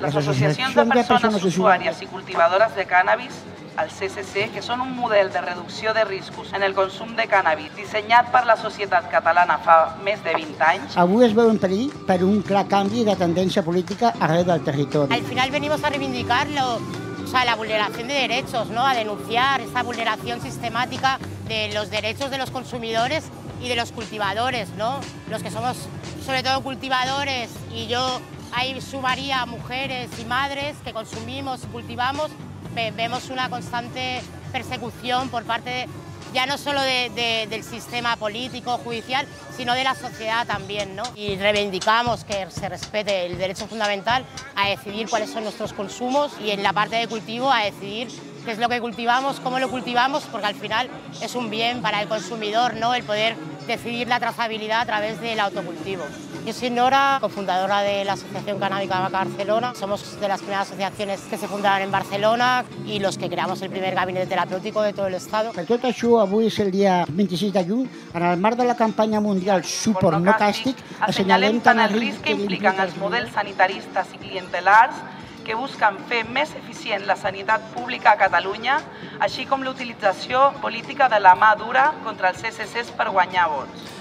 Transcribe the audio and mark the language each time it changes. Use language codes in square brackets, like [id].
[ca] Les associacions de persones usuàries i cultivadores de cànnabis, el CCC, que són un model de reducció de riscos en el consum de cànnabis dissenyat per la societat catalana fa més de 20 anys. Avui es veu en perill per un clar canvi de tendència política arreu del territori. [es] Al final venimos a reivindicarlo. O sea, la vulneración de derechos, ¿no? A denunciar esta vulneración sistemática de los derechos de los consumidores y de los cultivadores, ¿no? Los que somos sobre todo cultivadores y yo ahí sumaría mujeres y madres que consumimos y cultivamos, vemos una constante persecución por parte ya no solo del sistema político, judicial, sino de la sociedad también, ¿no? Y reivindicamos que se respete el derecho fundamental a decidir cuáles son nuestros consumos y en la parte de cultivo a decidir qué es lo que cultivamos, cómo lo cultivamos, porque al final es un bien para el consumidor, ¿no? El poder decidir la trazabilidad a través del autocultivo. Yo soy Nora, cofundadora de la Asociación Canábica de Barcelona. Somos de las primeras asociaciones que se fundaron en Barcelona y los que creamos el primer gabinete terapéutico de todo el estado. [ca] Per tot això, avui és el dia 26 de juny, en el marc de la campanya mundial Suport No Càstig, assenyalem tant el risc que impliquen els models sanitaristes i clientelars que busquen fer més eficient la sanitat pública a Catalunya, així com l'utilització política de la mà dura contra els CCCs per guanyar vots.